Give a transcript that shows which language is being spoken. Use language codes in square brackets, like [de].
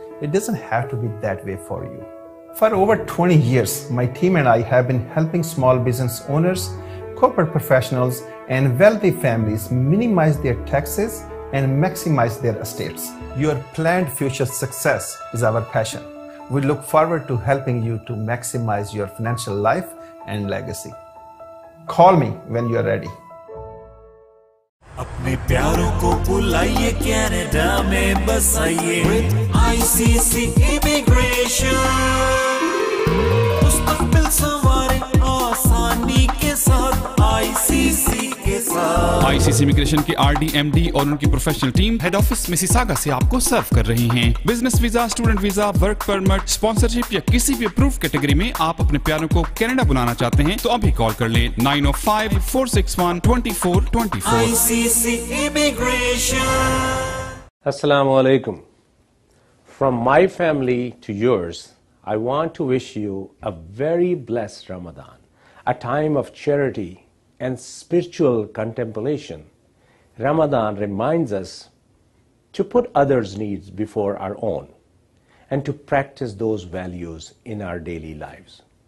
[en] It doesn't have to be that way for you. For over 20 years, my team and I have been helping small business owners, corporate professionals, and wealthy families minimize their taxes and maximize their estates. Your planned future success is our passion. We look forward to helping you to maximize your financial life and legacy. Call me when you are ready. [hi] अपने प्यारों को बुलाइए Canada में बसाइए ICC immigration मुस्तकबिल संवारे आसानी के साथ आईसीसी ICC Immigration के RD, MD और उनकी professional team head office Mississauga से आपको सर्व कर रही हैं। Business visa, student visa, work permit, sponsorship या किसी भी अप्रूव कैटेगरी में आप अपने प्यारों को कनाडा बुलाना चाहते हैं तो अभी कॉल कर लें 905-461-2424. अस्सलाम वालेकुम। [en] From my family to yours, I want to wish you a very blessed Ramadan, a time of charity and spiritual contemplation. Ramadan reminds us to put others' needs before our own and to practice those values in our daily lives.